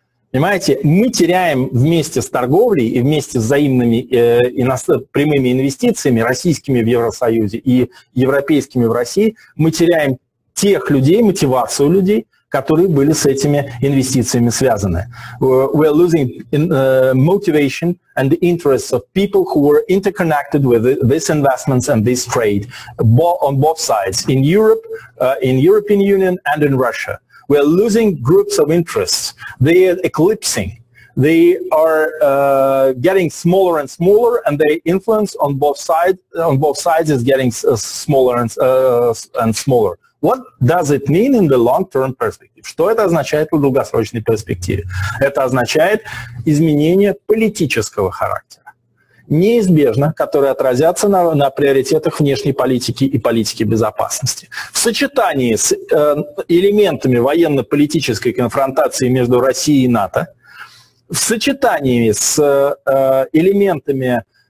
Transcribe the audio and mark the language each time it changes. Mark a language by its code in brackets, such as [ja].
[ru] Понимаете, мы теряем вместе с торговлей и вместе с взаимными прямыми инвестициями, российскими в Евросоюзе и европейскими в России, мы теряем тех людей, мотивацию людей, которые были с этими инвестициями связаны. [en] We are losing motivation and the interests of people who were interconnected with these investments and this trade on both sides, in Europe, in European Union and in Russia. We are losing groups of interests. They are eclipsing. They are getting smaller and smaller, and their influence on both sides is getting smaller and smaller. What does it mean in the long-term perspective? [ru] Что это означает в долгосрочной перспективе? Это означает изменение политического характера, неизбежно, которые отразятся на приоритетах внешней политики и политики безопасности. В сочетании с элементами военно-политической конфронтации между Россией и НАТО, в сочетании с элементами